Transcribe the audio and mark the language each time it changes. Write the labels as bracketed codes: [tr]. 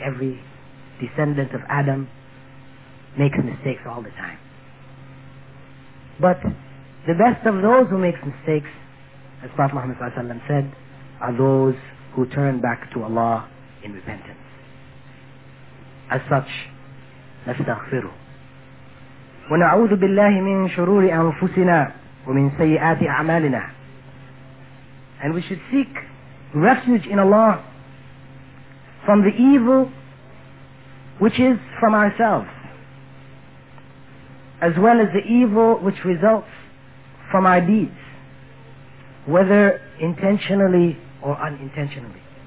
[en] Every descendant of Adam makes mistakes all the time. But the best of those who make mistakes, as Prophet Muhammad Sallallahu Alaihi Wasallam said, are those who turn back to Allah in repentance. As such, [ar] نستغفره ونعوذ بالله من شرور أنفسنا ومن سيئات أعمالنا. [en] And we should seek refuge in Allah from the evil which is from ourselves, as well as the evil which results from our deeds, whether intentionally or unintentionally.